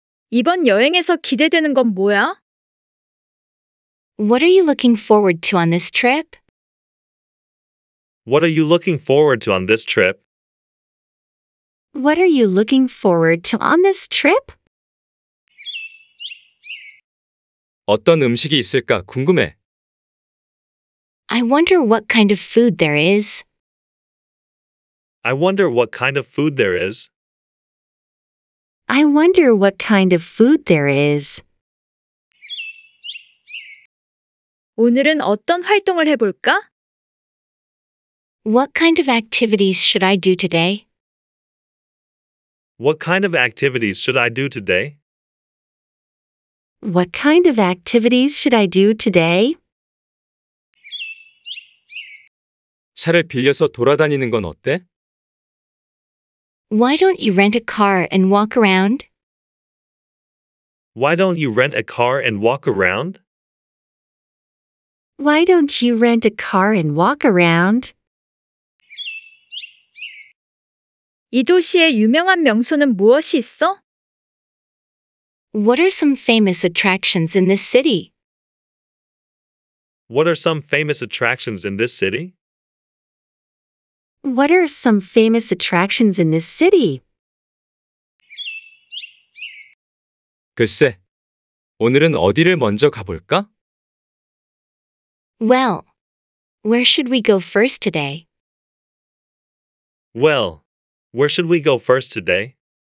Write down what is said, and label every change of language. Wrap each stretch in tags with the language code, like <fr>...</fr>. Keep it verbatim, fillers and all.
<ko>이번 여행에서 기대되는 건 뭐야?</ko> <en>What are you looking forward to on this trip? What are you looking forward to on this trip? What are you looking forward to on this trip?</en> <ko>어떤 음식이 있을까 궁금해.</ko> <en>I wonder what kind of food there is. I wonder what kind of food there is. I wonder what kind of food there is.</en> <ko>오늘은 어떤 활동을 해볼까?</ko> <en>What kind of activities should I do today? What kind of activities should I do today? What kind of activities should I do today?</en> <ko>차를 빌려서 돌아다니는 건 어때?</ko> <en>Why don't you rent a car and walk around? Why don't you rent a car and walk around? Why don't you rent a car and walk around?</en> <ko>이 도시의 유명한 명소는 무엇이 있어?</ko> <en>What are some famous attractions in this city? What are some famous attractions in this city? What are some famous attractions in this city?</en> <ko>글쎄, 오늘은 어디를 먼저 가볼까?</ko> <en>Well, where should we go first today? Well, where should we go first today?</en>